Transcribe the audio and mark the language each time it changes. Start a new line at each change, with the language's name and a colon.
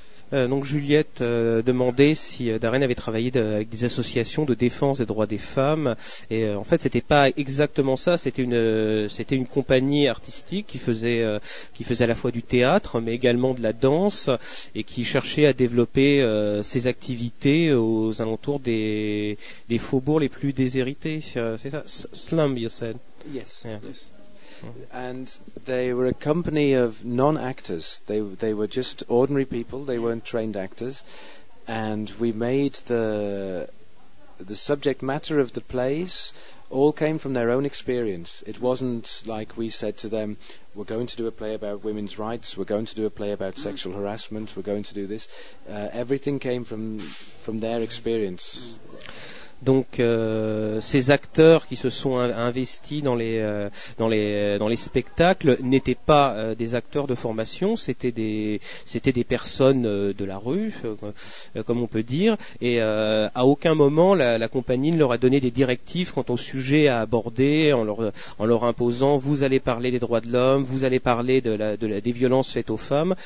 French: Donc Juliette demandait si Darren avait travaillé avec des associations de défense des droits des femmes, et en fait c'était pas exactement ça, c'était une compagnie artistique qui faisait à la fois du théâtre mais également de la danse, et qui cherchait à développer ses activités aux alentours des faubourgs les plus déshérités, c'est ça,
English: slum you said? Yes, yeah. Yes. And they were a company of non-actors. They were just ordinary people. They weren't trained actors. And we made the subject matter of the plays all came from their own experience. It wasn't like we said to them, we're going to do a play about women's rights, we're going to do a play about sexual harassment, we're going to do this. Everything came from their experience.
French: Donc ces acteurs qui se sont investis dans les spectacles n'étaient pas des acteurs de formation, c'était des personnes de la rue, comme on peut dire, et à aucun moment la compagnie ne leur a donné des directives quant au sujet à aborder, en leur imposant vous allez parler des droits de l'homme, vous allez parler des violences faites aux femmes.